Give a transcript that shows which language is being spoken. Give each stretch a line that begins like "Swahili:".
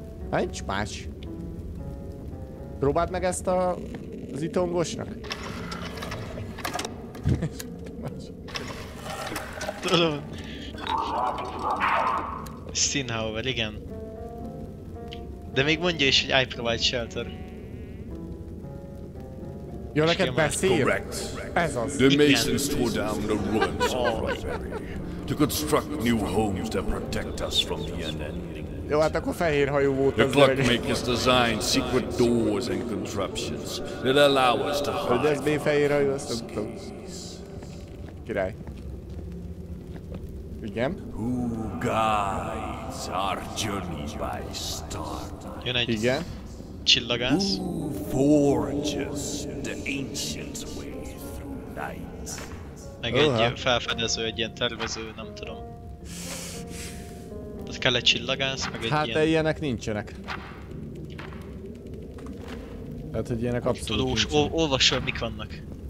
Hungarian: Hát nincs más. Próbáld meg ezt az itongosnak. Tudom. Steenhauer, igen. De még mondja is, hogy
English: I provide shelter.
Hungarian: Jó, ja, neked beszél? Correct. Ez az.
English: The masons tore down the ruins of Rosary to construct new homes to protect us from the unending.
Hungarian: Jó, hát akkor fehér hajó volt az.
English: The clockmakers designed secret doors and contraptions that allow us to hide.
Hungarian: Hogy ez még fehér hajó, azt nem tudom. Király. Igen.
English: Who guides our journey by starlight?
Hungarian: Igen. Csillagász.
English: Who forges the ancient way through night?
Hungarian: Meg egy ilyen felfedező, egy ilyen tervező, nem tudom. Tehát kell egy csillagász, meg egy hát ilyen... Hát ilyenek nincsenek. Tehát, hogy ilyenek abszolút tudós, nincsenek. Olvasol, mik vannak.